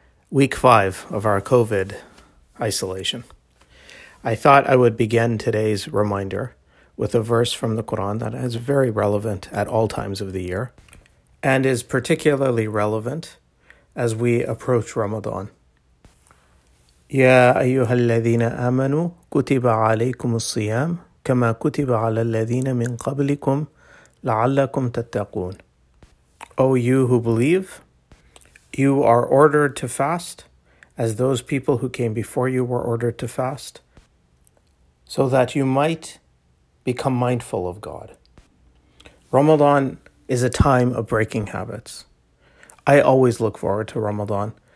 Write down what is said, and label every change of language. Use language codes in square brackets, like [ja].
[en] Week 5 of our COVID isolation. I thought I would begin today's reminder with a verse from the Quran that is very relevant at all times of the year and is particularly relevant as we approach Ramadan. [ar] يا أيها الذين آمنوا كتب عليكم الصيام كما كتب على الذين من قبلكم لعلكم تتقون. [en] O you who believe, you are ordered to fast as those people who came before you were ordered to fast, so that you might become mindful of God. Ramadan is a time of breaking habits. I always look forward to Ramadan.